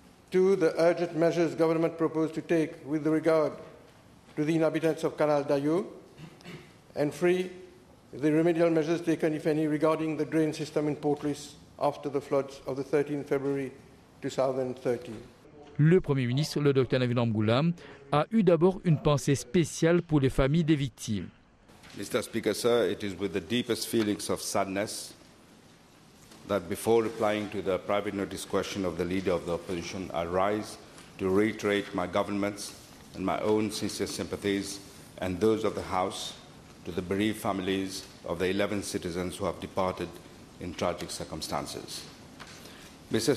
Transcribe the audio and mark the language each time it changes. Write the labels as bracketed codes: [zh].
[en] Two, the urgent measures government proposed to take with regard to the inhabitants of Canal d'Ayou. And three, the remedial measures taken, if any, regarding the drain system in Port-Louis after the floods of the 13 February 2013. [fr] Le Premier ministre, le docteur Navin Ramgoolam, a eu d'abord une pensée spéciale pour les familles des victimes. [en] Mr. Speaker, sir, it is with the deepest feelings of sadness that before replying to the private notice question of the leader of the opposition, I rise to reiterate my government's and my own sincere sympathies and those of the House to the bereaved families of the 11 citizens who have departed in tragic circumstances. Mr.